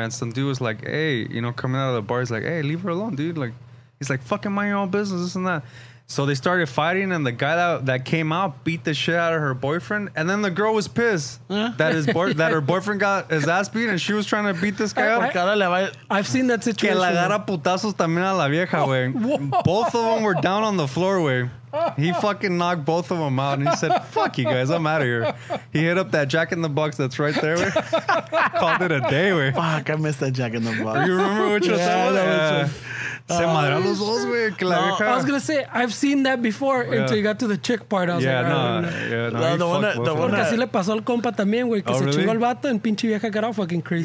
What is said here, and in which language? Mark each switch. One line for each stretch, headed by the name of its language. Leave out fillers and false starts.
English: And some dude was like, hey, you know, coming out of the bar. He's like, hey, leave her alone, dude. Like, he's like, fucking mind your own business, this and that. So they started fighting, and the guy that came out beat the shit out of her boyfriend. And then the girl was pissed that her boyfriend got his ass beat, and she was trying to beat this guy up. I've seen that situation.
Spanish: Que la agarra putazos también a la vieja, güey.
English: Both of them were down on the floor, güey. He fucking knocked both of them out, and he said, fuck you guys, I'm out of here. He hit up that Jack in the Box that's right there, güey. Called it a day, güey. Fuck, I missed that Jack in the Box. You remember which one? Yeah, that was one. I was gonna say I've seen that before until you got to the chick part. I was the one
Spanish: así le pasó al compa también, güey, que se chingó al vato en pinche vieja,
English: got all fucking crazy.